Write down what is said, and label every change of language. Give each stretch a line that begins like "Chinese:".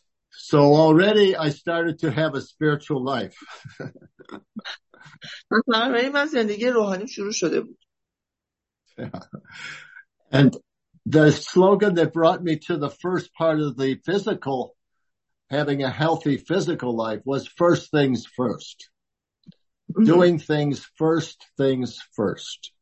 English: So already I started to have a spiritual life.
Persian: بنابراین من زندگی روحانی شروع شده بود.
English: And the slogan that brought me to the first part of the physical, having a healthy physical life, was first things first. Doing things first things first.